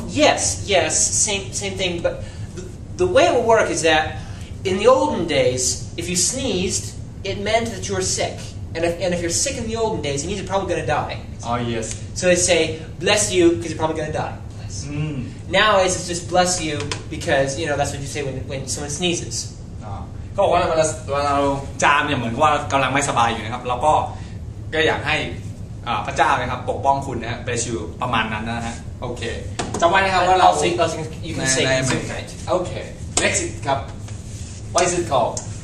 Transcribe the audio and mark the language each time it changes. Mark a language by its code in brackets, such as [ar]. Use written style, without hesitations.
[en] yes same thing but the way it would work is that in the olden days if you sneezed it meant that you were sick and if you're sick in the olden days it means you're probably gonna die oh yes so they say bless you because you're probably gonna dieNow it's just bless you because you know that's what you say when someone sneezes. [th] ก็ว่าเวลาจามเนี่ยเหมือนว่ากำลังไม่สบายอยู่นะครับแล้วก็อยากให้พระเจ้านะครับปกป้องคุณนะฮะ [en] bless you [th] ประมาณนั้นนะฮะโอเคจำไว้นะครับว่าเรา [en] sing you can say tonight. Okay. Next it ครับ What is it called?